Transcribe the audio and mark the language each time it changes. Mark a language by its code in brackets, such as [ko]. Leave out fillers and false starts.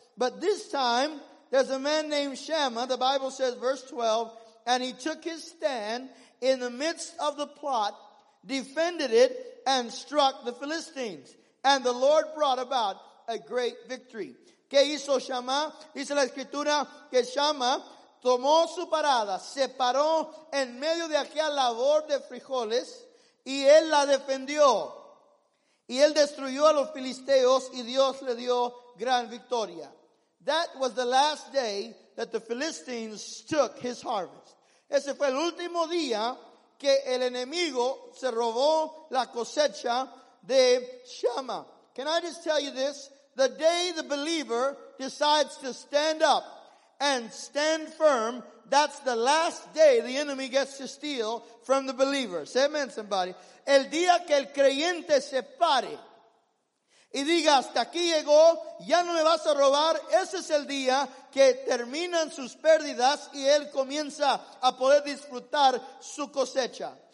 [en] But this time there's a man named Shammah, the Bible says, verse 12, and he took his stand in the midst of the plot, defended it, and struck the Philistines. And the Lord brought about a great victory. [es] ¿Qué hizo Shammah? Dice la escritura que Shammah tomó su parada, se paró en medio de aquella labor de frijoles, y él la defendió. Y él destruyó a los filisteos, y Dios le dio gran victoria. [en] That was the last day that the Philistines took his harvest. [es] Ese fue el último día que el enemigo se robó la cosecha de Shammah. [en] Can I just tell you this? The day the believer decides to stand up and stand firm, that's the last day the enemy gets to steal from the believer. Say amen, somebody. [es] El día que el creyente se pare y diga, hasta aquí llegó, ya no me vas a robar, ese es el día que terminan sus pérdidas y él comienza a poder disfrutar su cosecha.